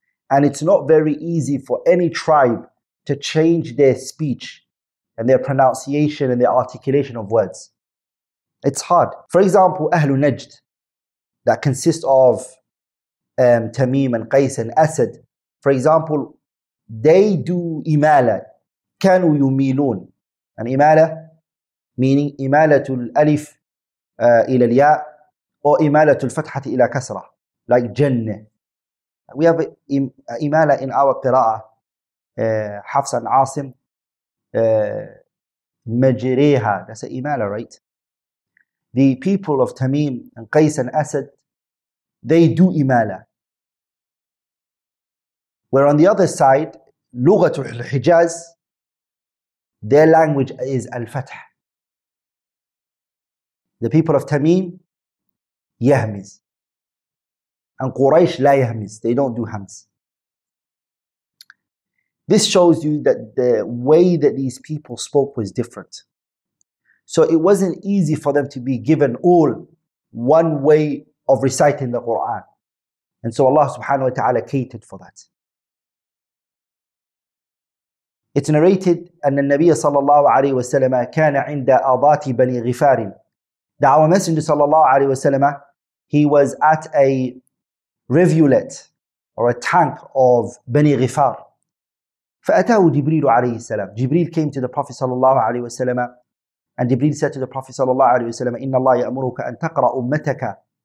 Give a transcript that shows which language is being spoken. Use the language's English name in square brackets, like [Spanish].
[English] And it's not very easy for any tribe to change their speech and their pronunciation and their articulation of words. It's hard. For example, Ahlu Najd, that consists of Tamim and Qais and Asad, for example, they do imala. [Arabic] كانوا يميلون. [English] And imala, meaning [Arabic] إمالة الألف إلى الياء, [English] or [Arabic] إمالة الفتحة إلى كسرة, [English] like جنة. We have إمالة in our قراءة, حفص and عاصم, مجريها, that's an إمالة, right? The people of Tamim and Qais and Asad, they do إمالة. Where on the other side, [Arabic] لغة الحجاز, [English] their language is الفتح. The people of Tamim, yahmiz. And Quraysh, la yahmiz. They don't do hams. This shows you that the way that these people spoke was different. So it wasn't easy for them to be given all one way of reciting the Quran. And so Allah subhanahu wa ta'ala catered for that. It's narrated, [Arabic] أن النبي صلى الله عليه وسلم كان عند أضات بني غفار. [English] That our Messenger sallallahu alayhi wa sallam, he was at a rivulet or a tank of Bani Ghifar. [Arabic] فَأَتَاهُ جِبْرِيلُ عَلَيْهِ السَّلَامُ. [English] Jibreel came to the Prophet sallallahu alayhi wa sallam, and Jibreel said to the Prophet sallallahu alayhi wa sallam, [Arabic] إِنَّ اللَّهَ يَأْمُرُكَ أَن تَقْرَأُ أُمَّتَكَ.